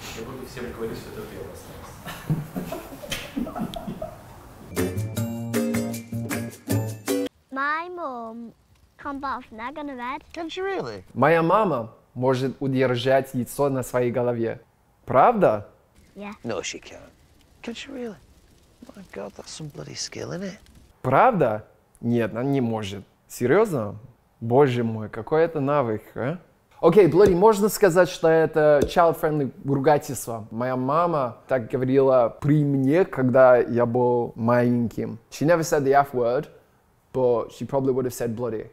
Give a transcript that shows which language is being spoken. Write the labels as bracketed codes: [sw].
[ru] Я буду всем говорить, что это ты. [en] My mom. Can she really? [ru] Моя мама может удержать яйцо на своей голове. Правда? [en] Yeah. No, she can't. Can she really? My God, that's some bloody skill, isn't it? [ru] Правда? Нет, она не может. Серьезно? Боже мой, какой это навык, а? Окей, Блори, можно сказать, что это child-friendly ругательство. Моя мама так говорила при мне, когда я был маленьким. [en] She never said the F-word. But she probably would have said bloody.